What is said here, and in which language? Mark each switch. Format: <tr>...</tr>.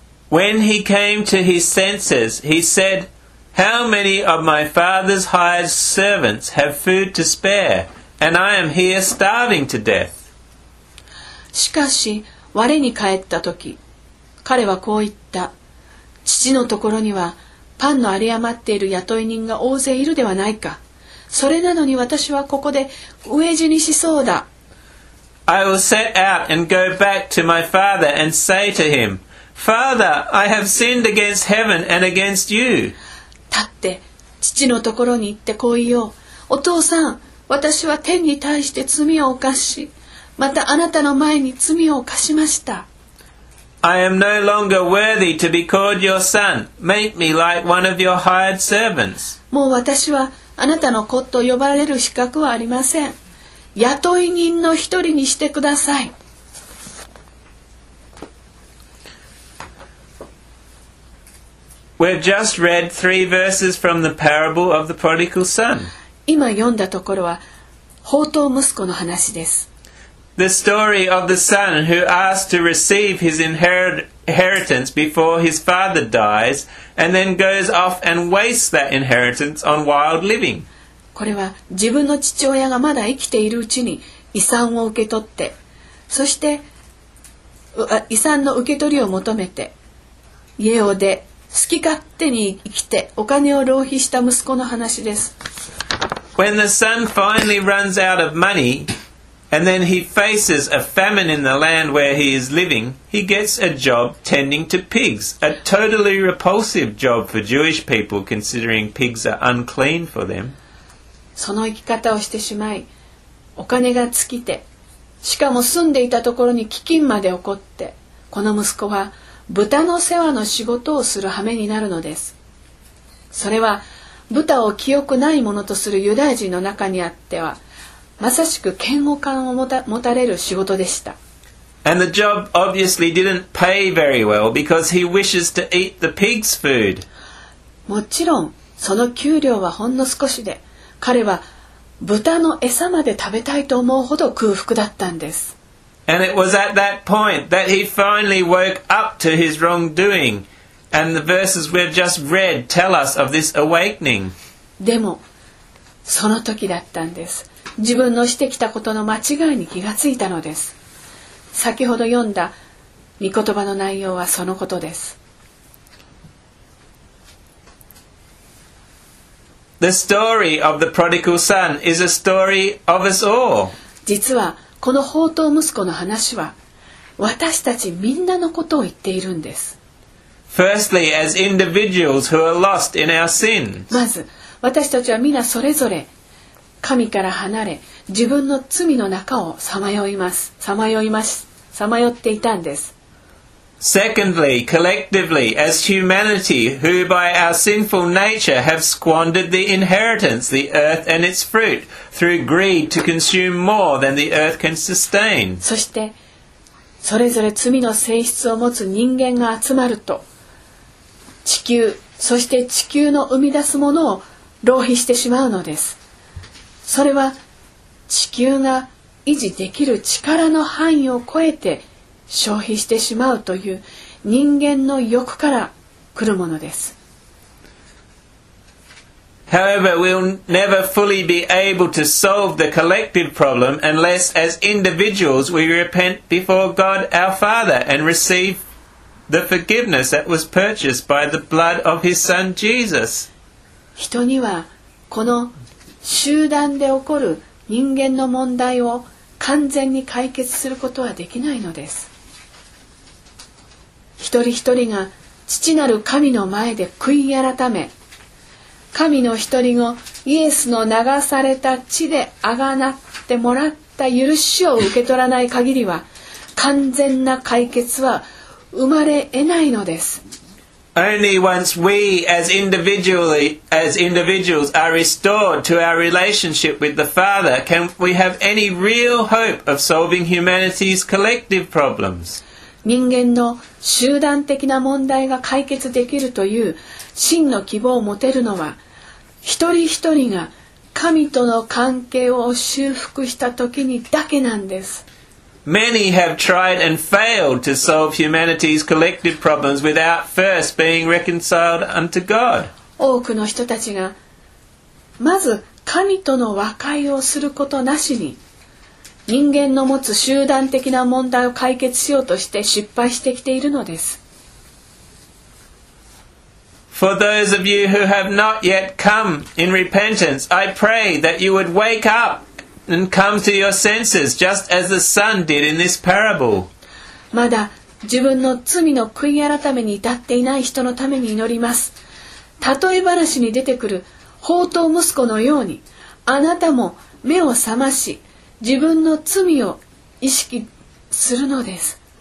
<en>When he came to his senses, he said, How many of my father's hired servants have food to spare, and I am here starving to death?</en> <ja>しかし、我に帰った時、彼はこう言った。父のところには、パンの有り余っている雇い人が大勢いるではないか。それなのに私はここで飢え死にしそうだ。</ja> <en>I will set out and go back to my father and say to him,Father, I have sinned against heaven and against you.</en> <ja>立って、父のところに行ってこう言おう。お父さん、私は天に対して罪を犯し、またあなたの前に罪を犯しました。</ja> <en>I am no longer worthy to be called your son. Make me like one of your hired servants.</en> <ja>もう私はあなたの子と呼ばれる資格はありません。雇い人の一人にしてください。</ja> <en>We've just read three verses from the parable of the prodigal son.</en> <ja>今読んだところは、放蕩息子の話です。</ja> <en>The story of the son who asked to receive his inheritance before his father dies, and then goes off and wastes that inheritance on wild living.</en> <ja>これは自分の父親がまだ生きているうちに遺産を受け取って、そして遺産の受け取りを求めて、家を出、好き勝手に生きてお金を浪費した息子の話です。</ja> <en>When the son finally runs out of money, and then he faces a famine in the land where he is living, he gets a job tending to pigs, a totally repulsive job for Jewish people, considering pigs are unclean for them.</en> <ja>その生き方をしてしまい、お金が尽きて、しかも住んでいたところに飢饉まで起こって、この息子は、豚の世話の仕事をする羽目になるのです。それは豚を清くないものとするユダヤ人の中にあってはまさしく嫌悪感を持たれる仕事でした。</ja> <en>And the job obviously didn't pay very well because he wishes to eat the pig's food.</en> <ja>もちろんその給料はほんの少しで彼は豚の餌まで食べたいと思うほど空腹だったんです。</ja> <en>And it was at that point that he finally woke up to his wrongdoing. And the verses we've just read tell us of this awakening.</en> <ja>でも、その時だったんです。自分のしてきたことの間違いに気がついたのです。先ほど読んだ御言葉の内容はそのことです。</ja> <en>The story of the prodigal son is a story of us all.</en> <ja>実は、この放蕩息子の話は私たちみんなのことを言っているんです。</ja> <en>Firstly, as individuals who are lost in our sins.</en> <ja>まず私たちはみんなそれぞれ神から離れ自分の罪の中をさまよいます。さまよっていたんです。</ja> <en>Secondly, collectively, as humanity who by our sinful nature have squandered the inheritance, the earth and its fruit, through greed to consume more than the earth can sustain.</en> <ja>そして、それぞれ罪の性質を持つ人間が集まると、地球、そして地球の生み出すものを浪費してしまうのです。それは地球が維持できる力の範囲を超えて消費してしまうという人間の欲から来るものです。</ja> <en>However, we'll never fully be able to solve the collective problem unless as individuals we repent before God our Father and receive the forgiveness that was purchased by the blood of His Son Jesus.</en> <ja>人にはこの集団で起こる人間の問題を完全に解決することはできないのです。一人一人が父なる神の前で悔い改め、神の一人子イエスの流された血であがなってもらった許しを受け取らない限りは、完全な解決は生まれ得ないのです。</ja> <en>Only once we as individuals are restored to our relationship with the Father can we have any real hope of solving humanity's collective problems.</en> <ja>人間の集団的な問題が解決できるという真の希望を持てるのは、一人一人が神との関係を修復した時にだけなんです。</ja> <en>Many have tried and failed to solve humanity's collective problems without first being reconciled unto God.</en> <ja>多くの人たちがまず神との和解をすることなしに、人間の持つ集団的な問題を解決しようとして失敗してきているのです。</ja> <en>For those of you who have not yet come in repentance, I pray that you would wake up and come to your senses, just as the son did in this parable.</en> <ja>まだ自分の罪の悔い改めに至っていない人のために祈ります。例え話に出てくる放蕩息子のように、あなたも目を覚まし、自分の罪を意識するのです。</ja>